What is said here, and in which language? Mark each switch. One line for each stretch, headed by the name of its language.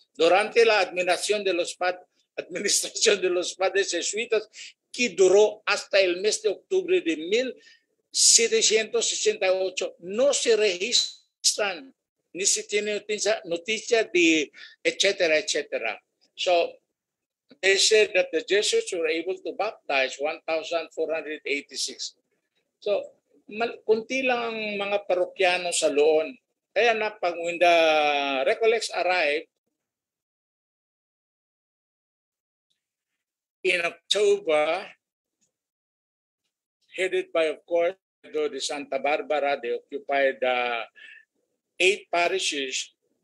Spanish: Durante la administración de los padres, Administración de los Padres Jesuitas, que duró hasta el mes de octubre de 1768, no se registran, ni se tiene noticia de etcétera, etcétera.
English: So, they said that the Jesuits were able to baptize 1,486.
Cebuano: So, kunti lang mga parokyano sa Loon. Kaya na, pag
English: when the Recollects arrived, in October, headed by, of course, the Santa Barbara, they occupied 8 parishes.